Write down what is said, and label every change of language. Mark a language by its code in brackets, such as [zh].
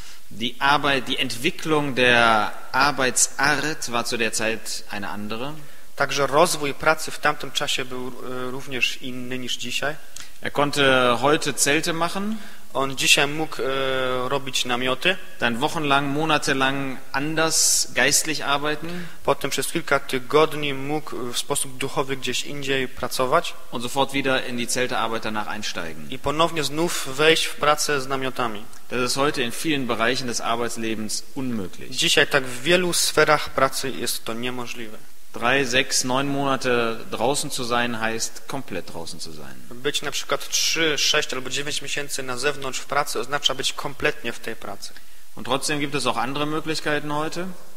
[de] Die Arbeit, die Entwicklung der Arbeitsart war zu der Zeit eine andere. [pl] Także rozwój pracy w tamtym czasie był również inny niż dzisiaj. [de] Er konnte heute Zelte machen. [pl] On dzisiaj mógł robić namioty. [de] Dann wochenlang, monatelang anders geistlich arbeiten. [pl] Potem przez kilka tygodni mógł w sposób duchowy gdzieś indziej pracować. [de] Und sofort wieder in die Zeltearbeit danach einsteigen. [pl] I ponownie znów wejść w pracę z namiotami. [de] Das ist heute in vielen Bereichen des Arbeitslebens unmöglich. [pl] Dzisiaj tak w wielu sferach pracy jest to niemożliwe. [de] 3, 6, 9 Monate draußen zu sein heißt komplett draußen zu sein. [pl] Być na przykład 3, 6 albo 9 miesięcy na zewnątrz w pracy oznacza być kompletnie w tej pracy. [de] Und trotzdem gibt es auch andere Möglichkeiten heute.